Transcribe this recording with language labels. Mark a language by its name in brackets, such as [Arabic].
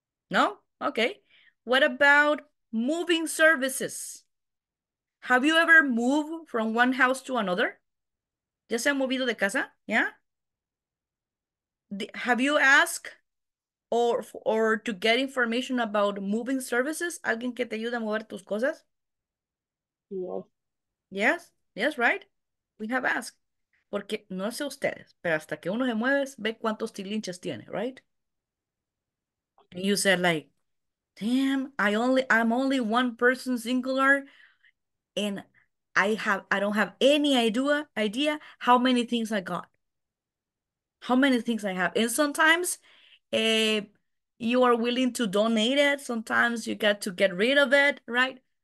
[English] No? Okay. What about moving services? Have you ever moved from one house to another? [Spanish] ¿Ya se ha movido de casa? [English] Yeah? Have you asked or to get information about moving services? [Spanish] ¿Alguien que te ayude a mover tus cosas? [English] Yes. Yes, yes, right? We have asked. [Spanish] Porque no sé ustedes, pero hasta que uno se mueve, ve cuántos tilinches tiene, right? [English] And you said like, damn, I'm only one person singular, and I don't have any idea how many things I got. How many things I have. And sometimes you are willing to donate it, sometimes you got to get rid of it, right?